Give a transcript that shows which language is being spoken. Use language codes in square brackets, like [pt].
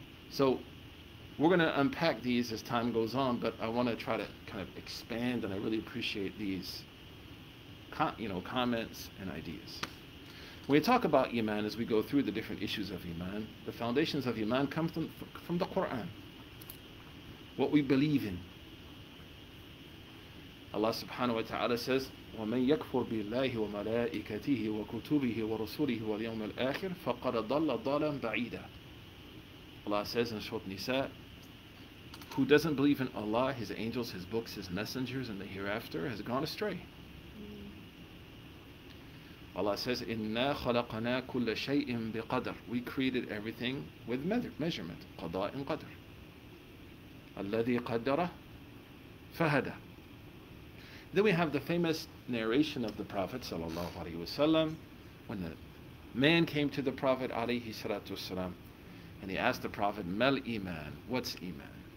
[en] So we're going to unpack these as time goes on, but I want to try to kind of expand, and I really appreciate these comments and ideas. When we talk about Iman, as we go through the different issues of Iman, the foundations of Iman come from the Quran, what we believe in. Allah subhanahu wa ta'ala says, [ar] وَمَنْ يَكْفُرْ بِاللَّهِ وَمَلَائِكَتِهِ وَكُتُبِهِ وَرُسُولِهِ وَالْيَوْمِ الْآخِرِ فَقَدَ ضَلَّ ضَلًا بَعِيدًا. [en] Allah says in Surah Nisa, who doesn't believe in Allah, His angels, His books, His messengers, and the hereafter, has gone astray. Allah says, [ar] إِنَّا خَلَقَنَا كُلَّ شَيْءٍ بِقَدْرٍ. [en] We created everything with measurement, قَضَاء قَدْر. [ar] الَّذِي قَدَّرَ فَهَدَى. [en] Then we have the famous narration of the Prophet sallallahu alaihi wasallam, when the man came to the Prophet alayhi salatu wasalam, and he asked the Prophet, "Mal iman? What's iman?"